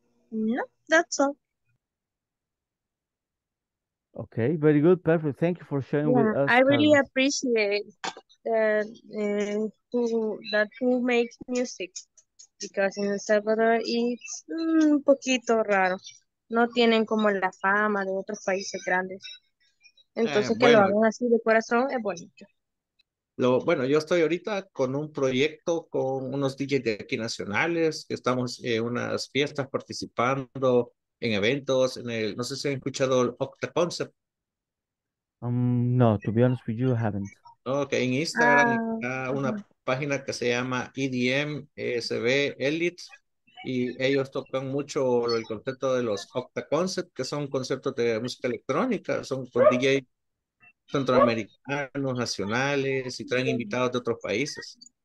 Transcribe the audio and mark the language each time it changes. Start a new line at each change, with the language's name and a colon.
English: No, that's all. Okay, very good, perfect. Thank you for sharing with us. I really appreciate who makes music, because in El Salvador it's
Spanish: un poquito raro. No tienen como la fama de otros países grandes. Entonces que lo hagan así de corazón es bonito. Bueno, yo estoy ahorita con un proyecto con unos DJs de aquí nacionales. Estamos en unas fiestas participando en eventos. No sé si han escuchado el Octa Concept.
English: No, to be honest with you, I haven't.
Spanish: Ok, en Instagram está una página que se llama EDM ESB Elite. Y ellos tocan mucho el concepto de los Octa Concept, que son conceptos de música electrónica. Son con DJs centroamericanos, nacionales, y traen invitados de otros países.